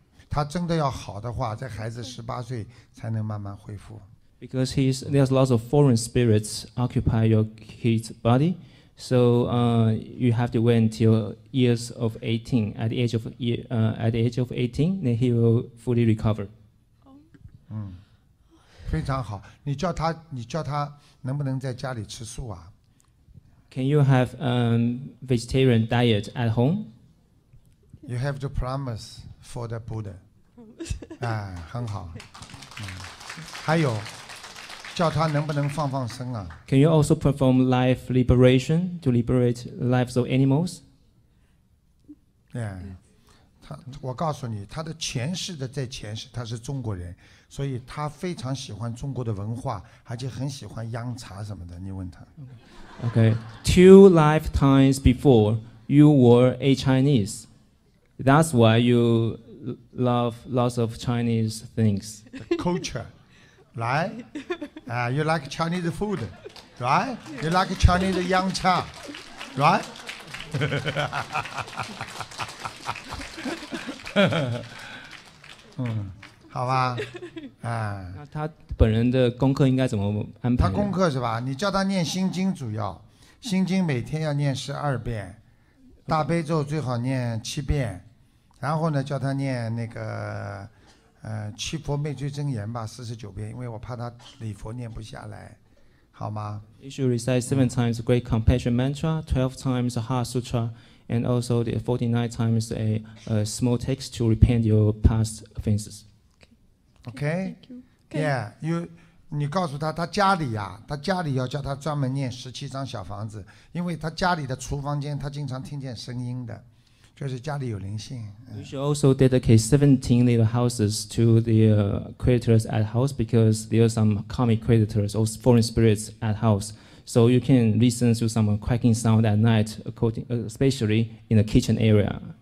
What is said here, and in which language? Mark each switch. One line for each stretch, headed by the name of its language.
Chinese: 他真的要好的话，这孩子18岁才能慢慢恢复。
English: Because there's lots of foreign spirits occupy your kid's body, so you have to wait until years of 18. At the age of 18, then he will fully recover.
Chinese: 非常好。你叫他能不能在家里吃素啊？
English: Can you have vegetarian diet at home? You have to promise for the Buddha.
Chinese: 很好。还有，叫他能不能放放生啊？
English: Can you also perform life liberation to liberate lives of animals? Yeah.
Chinese: 我告诉你，他的前世的在前世他是中国人，所以他非常喜欢中国的文化，而且很喜欢洋茶什么的。你问他。
English: Okay, two lifetimes before you were a Chinese, that's why you love lots of Chinese things. The culture, right? You like Chinese food, right? You like Chinese 洋茶, right?
Chinese: 好吧他本人的功课应该怎么安排？他功课是吧？你叫他念心经主要，心经每天要念十二遍，大悲咒最好念七遍，然后呢叫他念那个七佛灭罪真言吧，四十九遍，因为我怕他礼佛念不下来，好吗？
English: You should recite seven times Great Compassion Mantra, 12 times Heart Sutra, and also the 49 times a small text to repent your past offenses. Okay. Okay. Yeah.
Chinese: You, 你告诉他，他家里呀、啊，他家里要叫他专门念十七张小房子，因为他家里的厨房间他经常听见声音的。就是家里有灵性。
English: You should also dedicate 17 little houses to the creditors at house because there are some karmic creditors or foreign spirits at house. So you can listen to some cracking sound at night, especially in the kitchen area.